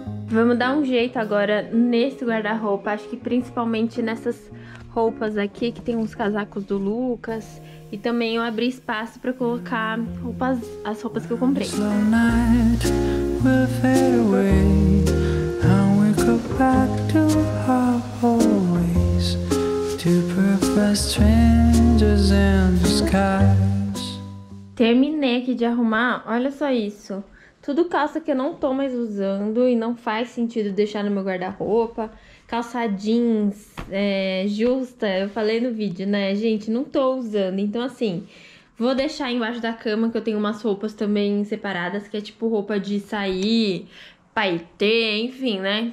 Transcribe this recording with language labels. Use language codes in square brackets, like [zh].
[pt] Vamos dar um jeito agora nesse guarda-roupa. Acho que principalmente nessas roupas aqui, que tem uns casacos do Lucas. E também eu abri espaço pra colocar roupas, as roupas que eu comprei. [en] Slow night, we'll fade away. And we go back to our old ways. To profess strangers in the skies. [pt] Terminei aqui de arrumar, olha só isso. Tudo calça que eu não tô mais usando e não faz sentido deixar no meu guarda-roupa. Calça jeans, justa, eu falei no vídeo, né? Gente, não tô usando. Então, assim, vou deixar embaixo da cama, que eu tenho umas roupas também separadas, que é tipo roupa de sair, paetê, enfim, né?